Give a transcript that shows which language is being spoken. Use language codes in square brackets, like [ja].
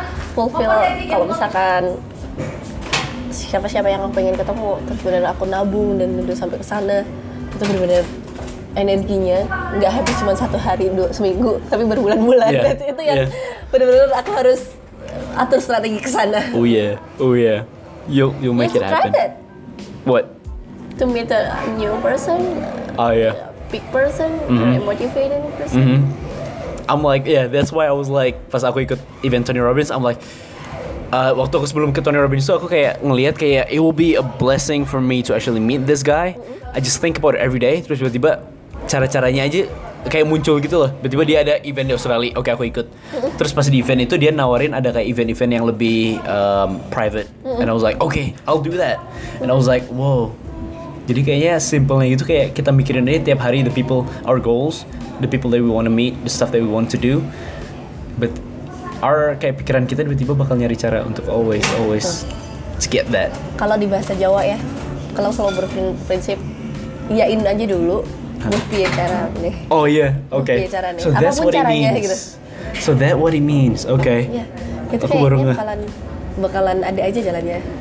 [id] Fulfill kalau misalkan siapa-siapa yang pengen ketemu terus benar aku nabung dan udah sampai kesana itu benar-benar energinya nggak habis cuma satu hari seminggu tapi berbulan-bulan itu yang benar-benar aku harus atur strategi kesana. [en] Oh yeah, you'll make it happen. What? To meet a new person. Oh yeah. Big person, motivating person. Mm-hmm. I'm like, yeah, that's why I was like, [id] pas aku ikut event [en] Tony Robbins, I'm like, [id] waktu aku sebelum ke Tony Robbins itu, aku kayak ngelihat kayak, [en] it will be a blessing for me to actually meet this guy. I just think about it every day, [id] terus tiba-tiba, cara-caranya aja, kayak muncul gitu loh. Tiba-tiba dia ada event di Australia, oke aku ikut. Terus pas di event itu dia nawarin ada kayak event-event yang lebih private. [en] And I was like, okay, I'll do that. And I was like, wow. [id] Jadi kayaknya simpelnya itu kayak kita mikirin aja tiap hari [en] the people, our goals, the people that we want to meet, the stuff that we want to do. [id] But our kayak pikiran kita tiba-tiba bakal nyari cara untuk [en] always, always to get that. [id] Kalau di bahasa Jawa ya, kalau selalu berprinsip, iyain aja dulu. Bukti cara nih. Oh iya, yeah. Oke. Okay. Bukti cara nih. So apapun caranya gitu. [en] So that what it means, oke. Okay. [id] Yeah. Iya, itu kayaknya bakalan ada aja jalannya.